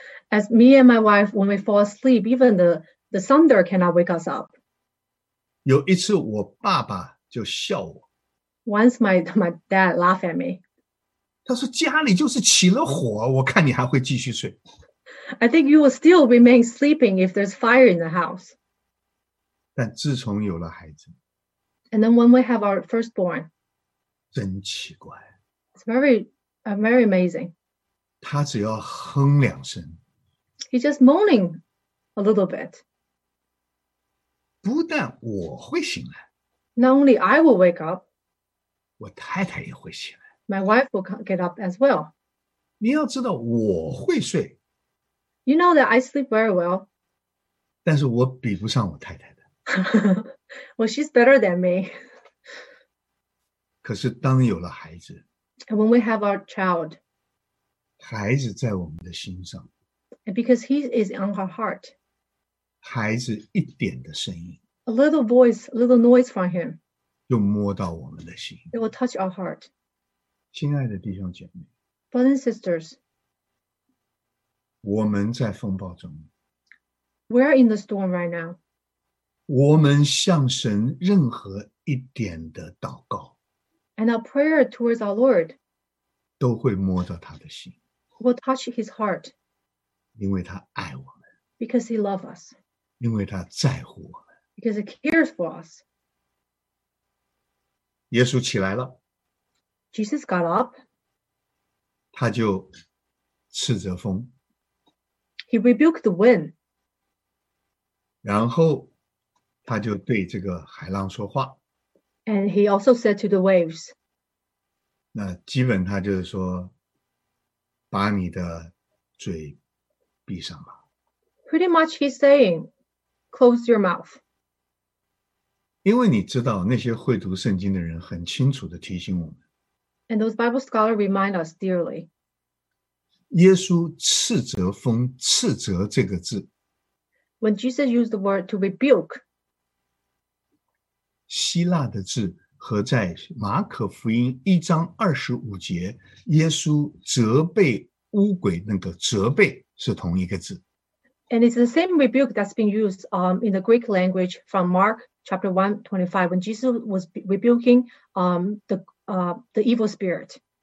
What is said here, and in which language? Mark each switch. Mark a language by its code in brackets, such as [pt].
[en] As me and my wife, when we fall asleep, even the thunder cannot wake us up. [zh] 有一次我爸爸就笑我。 [en] Once my dad laughed at me. [zh] 他说家里就是起了火，我看你还会继续睡。 [en] I think you will still remain sleeping if there's fire in the house. [zh] 但自从有了孩子。 [en] And then when we have our firstborn. [zh] 真奇怪。 [en] It's very amazing. [zh] 他只要哼两声。 [en] He's just moaning a little bit. [zh] 不但我会醒来。 [en] Not only I will wake up. [zh] 我太太也会醒来。 [en] My wife will get up as well. [zh] 你要知道我会睡。 [en] You know that I sleep very well. [zh] 但是我比不上我太太的。 [en] Well, she's better than me. [zh] 可是当有了孩子。 [en] And when we have our child, [zh] 孩子在我们的心上, [en] because he is on our heart, [zh] 孩子一点的声音, [en] a little voice, a little noise from him, [zh] 就摸到我们的心, [en] it will touch our heart. [zh] 亲爱的弟兄姐妹, [en] brothers and sisters, [zh] 我们在风暴中, [en] we are in the storm right now. [zh] 我们向神任何一点的祷告, [en] and our prayer towards our Lord [zh] 都会摸到他的心, [en] will touch his heart. [zh] 因为他爱我们, [en] because he loves us. [zh] 因为他在乎我们, [en] because he cares for us. [zh] 耶稣起来了, [en] Jesus got up. [zh] 他就斥责风, [en] he rebuked the wind. [zh] 然后他就对这个海浪说话, [en] and he also said to the waves, [zh] 那基本他就是说把你的嘴闭上吧。 [en] Pretty much he's saying, close your mouth. [zh] 因为你知道那些会读圣经的人很清楚地提醒我们, [en] and those Bible scholars remind us dearly, [zh] 耶稣斥责风, 斥责这个字, [en] when Jesus used the word to rebuke, [zh] 希腊的字和在马可福音一章二十五节耶稣责备污鬼那个责备是同一个字。 [en] And it's the same rebuke that's been used in the Greek language from Mark chapter 1:25 when Jesus was rebuking the evil spirit.